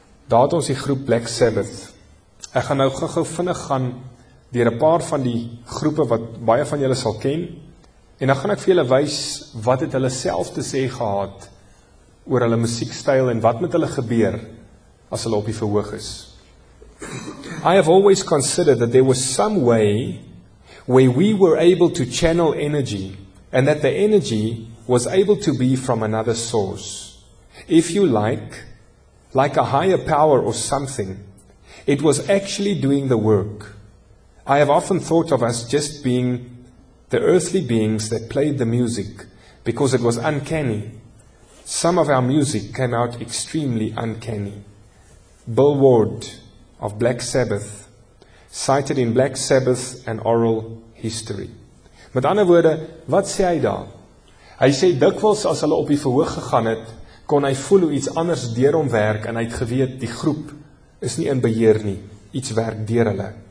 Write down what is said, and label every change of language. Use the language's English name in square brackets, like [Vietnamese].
[Afrikaans] Daar het ons die groep Black Sabbath. Ek gaan nou gou vinnig gaan deur 'n paar van die groepe wat baie van julle sal ken en dan gaan ek vir julle wys wat het hulle self te sê gehad oor hulle musiekstyl en wat met hulle gebeur as hulle op die verhoog is. [English] I have always considered that there was some way where we were able to channel energy and that the energy was able to be from another source. If you like a higher power or something, it was actually doing the work. I have often thought of us just being the earthly beings that played the music because it was uncanny. Some of our music came out extremely uncanny. Bill Ward, of Black Sabbath, cited in Black Sabbath and Oral History. [Afrikaans] Met ander woorde, wat sê hy daar? Hy sê dikwels as hulle op die verhoog gegaan het, kon hy voel hoe iets anders deur hom werk en hy het geweet die groep is nie in beheer nie, iets werk deur hulle.